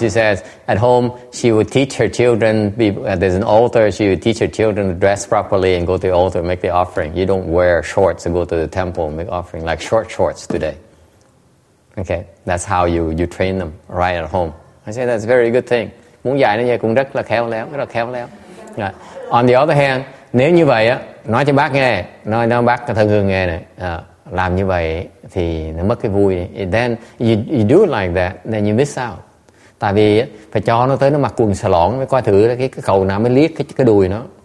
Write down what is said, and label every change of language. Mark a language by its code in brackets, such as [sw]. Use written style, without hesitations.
[en] She says at home she would teach her children. There's an altar. She would teach her children to dress properly and go to the altar, make the offering. You don't wear shorts and go to the temple and make offering like short shorts today. Okay, that's how you train them right at home. I say that's a very good thing. [vi] Muốn dạy nó vậy cũng rất là khéo léo. [en] On the other hand, [vi] nếu như vậy á, nói cho bác nghe, nói bác thân hương nghe này. Làm như vậy thì nó mất cái vui. [en] Then you do it like that, then you miss out. [vi] Tại vì phải cho nó tới nó mặc quần xà lọn mới coi thử cái cầu nào mới liếc cái đùi nó.